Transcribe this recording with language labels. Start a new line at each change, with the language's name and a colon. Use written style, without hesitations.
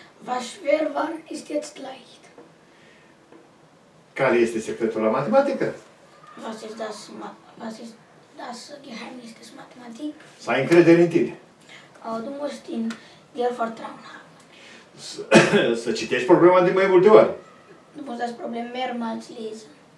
German: Was schwer war, ist jetzt leicht.
Romanian: Care este secretul la matematică?
German: Was ist das Geheimnis des Mathematik?
Romanian: Să ai încredere în tine.
German: Du musst in dir vertrauen haben.
Romanian: Să citești problema de mai multe ori.
German: Du musst das Problem mehrmals lesen.